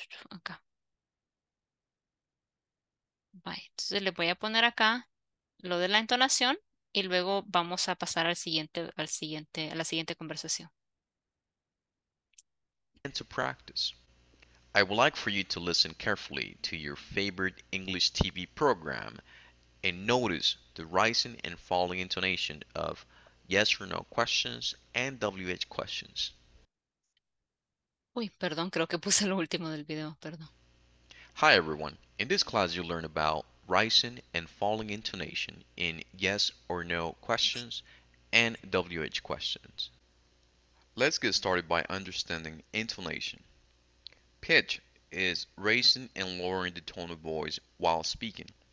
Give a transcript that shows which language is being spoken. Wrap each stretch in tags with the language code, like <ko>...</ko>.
<es>Acá. Bye. Entonces le voy a poner acá lo de la entonación y luego vamos a pasar a la siguiente conversación.</es> <en>Into practice. I would like for you to listen carefully to your favorite English TV program and notice the rising and falling intonation of yes or no questions and WH questions.</en> <es>Uy, perdón, creo que puse lo último del video, perdón.</es> <en>Hi everyone. In this class you learn about rising and falling intonation in yes or no questions and WH questions. Let's get started by understanding intonation. Pitch is raising and lowering the tone of voice while speaking.</en>